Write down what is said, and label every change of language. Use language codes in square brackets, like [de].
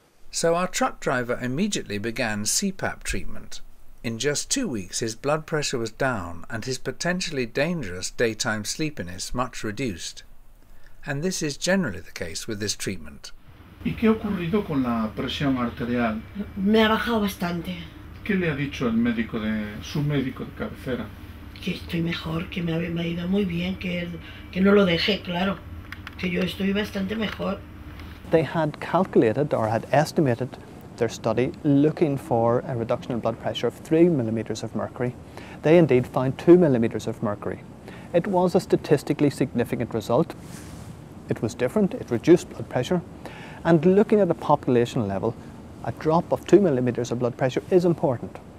[en] So our truck driver immediately began CPAP treatment. In just 2 weeks, his blood pressure was down and his potentially dangerous daytime sleepiness much reduced. And this is generally the case with this treatment. [es] ¿Y qué ha ocurrido con la presión arterial? Me ha bajado bastante. ¿Qué le ha dicho el médico de su médico de cabecera? Que estoy mejor, que me ha ido muy bien, que no lo dejé, claro, que yo estoy bastante mejor. [en] They had calculated or had estimated their study looking for a reduction in blood pressure of 3 millimeters of mercury. They indeed found 2 millimeters of mercury. It was a statistically significant result. It was different, it reduced blood pressure. And looking at a population level, a drop of 2 millimeters of blood pressure is important.